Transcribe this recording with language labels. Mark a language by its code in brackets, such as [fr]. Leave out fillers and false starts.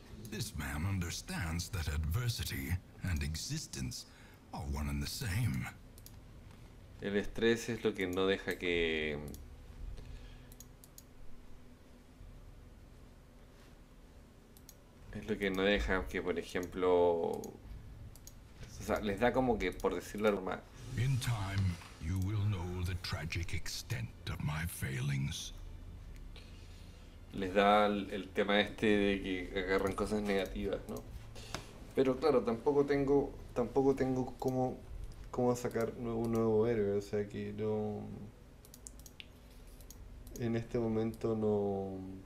[en] This man understands that adversity and existence are one and the same. [es] El estrés es lo que no deja que... es lo que no deja que, por ejemplo... o sea, les da como que, por decirlo normal. [en] In time, you will know the tragic extent of my failings. [es] Les da el tema este de que agarran cosas negativas, ¿no? Pero claro, tampoco tengo... tampoco tengo como... cómo sacar un nuevo héroe, o sea que no... en este momento no...